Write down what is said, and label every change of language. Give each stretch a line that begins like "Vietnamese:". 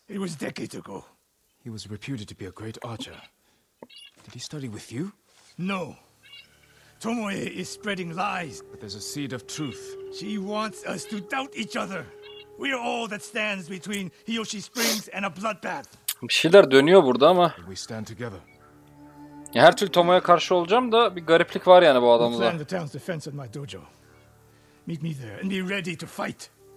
English: It was decades ago. He was reputed to be a great archer. Did he study with you? No. Tomoe is spreading lies. But there's a seed of truth. She wants us to doubt each other. We are all that stands between Hiyoshi Springs and a bloodbath.
Turkish: Bir şeyler dönüyor burada ama.
English: We stand together.
Turkish: Ya her türlü Tomoe'ye karşı olacağım da bir gariplik var yani bu adamda.
English: Plan the town's defense at my dojo. Meet me there and be ready to fight.